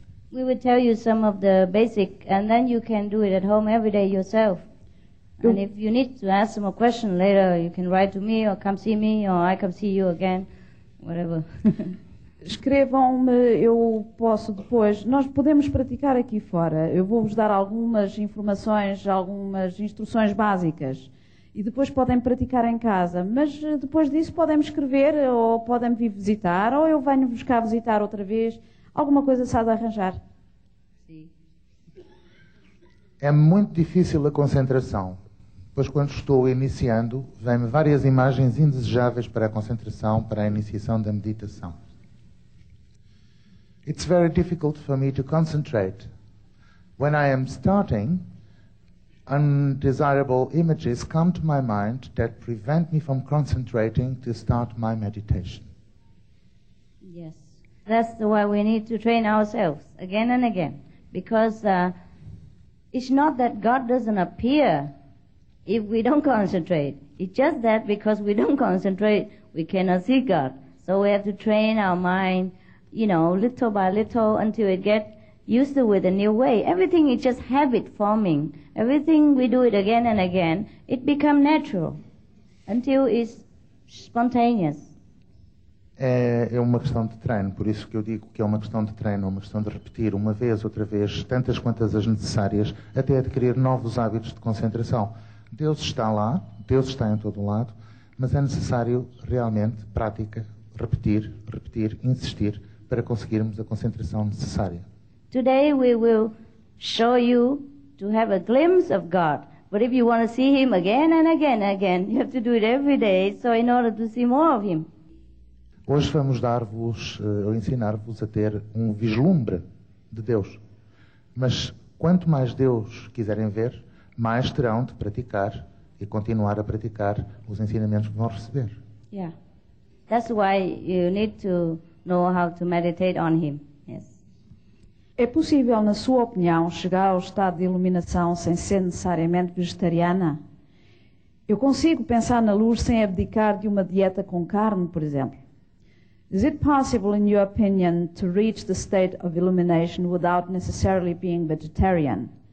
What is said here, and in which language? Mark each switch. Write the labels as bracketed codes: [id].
[en] We will tell you some of the basic, and then you can do it at home every day yourself. And if you need to ask some question later, you can write to me or come see me or I come see you again, whatever. [pt] Escrevam-me, eu posso depois. Nós podemos praticar aqui fora. Eu vou-vos dar algumas informações, algumas instruções básicas. e depois podem praticar em casa. Mas depois disso podem-me escrever, ou podem-me vir visitar, ou eu venho-vos cá visitar outra vez. Alguma coisa sabe arranjar? Sim. É muito difícil a concentração, pois quando estou iniciando, vêm-me várias imagens indesejáveis para a concentração, para a iniciação da meditação. [en] It's very difficult for me to concentrate. When I am starting, undesirable images come to my mind that prevent me from concentrating to start my meditation. Yes, that's why we need to train ourselves again and again, because it's not that God doesn't appear if we don't concentrate. It's just that because we don't concentrate, we cannot see God. So we have to train our mind, you know, little by little until it gets used to with a new way. Everything is just habit forming. Everything, we do it again and again, it becomes natural until it's spontaneous. [pt] É uma questão de treino, por isso que eu digo que é uma questão de treino, uma questão de repetir uma vez, outra vez, tantas quantas as necessárias, até adquirir novos hábitos de concentração. Deus está lá, Deus está em todo lado, mas é necessário realmente prática, repetir, repetir, insistir, para conseguirmos a concentração necessária. [en] Today we will show you to have a glimpse of God. But if you want to see Him again and again and again, you have to do it every day, so in order to see more of Him. [pt] Hoje vamos dar-vos, ou ensinar-vos a ter um vislumbre de Deus. Mas quanto mais Deus quiserem ver, mais terão de praticar e continuar a praticar os ensinamentos que vão receber. [en] Yeah. That's why you need to know how to meditate on Him. Yes. [pt] É possível, na sua opinião, chegar ao estado de iluminação sem ser necessariamente vegetariana? Eu consigo pensar na luz sem abdicar de uma dieta com carne, por exemplo. [en] Is it possible, in your opinion, to reach the state of illumination without necessarily being vegetarian?